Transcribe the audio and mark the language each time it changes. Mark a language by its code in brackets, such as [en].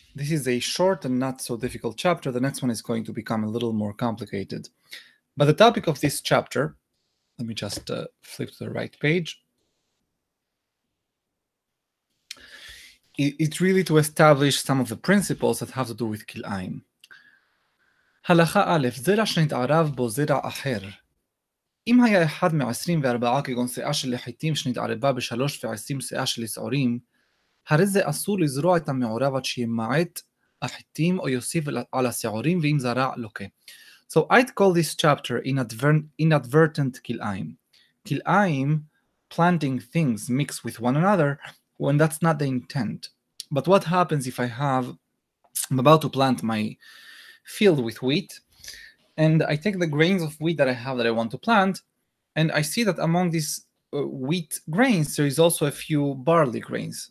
[en] This is a short and not so difficult chapter. The next one is going to become a little more complicated. But the topic of this chapter, let me just flip to the right page. It's really to establish some of the principles that have to do with Kil'ayim. [he] Halacha Aleph, Zera Shnit Arav Bo Zera Acher. אם היה אחד מ-24 כגון שאה של לחיטים שנתערבה ב-23 שאה של סעורים, הרי זה אסור לזרוע את המעורב עד שימעט החיטים או יוסיף על הסעורים ואם זרע לוקה. [en] So I'd call this chapter inadvertent kil'ayim. Kil'ayim, planting things mixed with one another, when that's not the intent. But what happens if I'm about to plant my field with wheat, and I take the grains of wheat that I have that I want to plant, and I see that among these wheat grains, there is also a few barley grains.